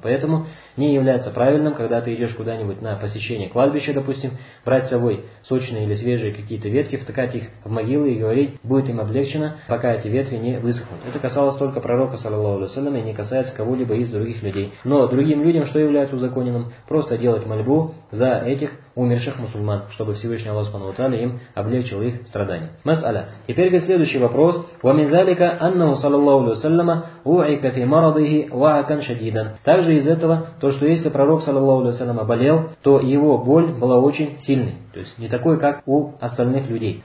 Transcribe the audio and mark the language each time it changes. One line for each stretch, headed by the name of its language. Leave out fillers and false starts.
Russian: Поэтому не является правильным, когда ты идешь куда-нибудь на посещение кладбища, допустим, брать с собой сочные или свежие какие-то ветки, втыкать их в могилы и говорить, будет им облегчено, пока эти ветви не высохнут. Это касалось только пророка, саллаллаху алейхи ва саллям, и не касается кого-либо из других людей. Но другим людям что является узаконенным? Просто делать мольбу за этих умерших мусульман, чтобы Всевышний Аллах субхана ва тааля им облегчил их страдания. Мас'аля. Теперь следующий вопрос.
Arabic: ومن ذلك أنه صلى الله عليه وسلم وعك في مرضه وعكا شديدا.
Russian: Также из этого то, что если пророк саллаллаху алейхи ва саллям болел, то его боль была очень сильной. То есть не такой, как у остальных людей.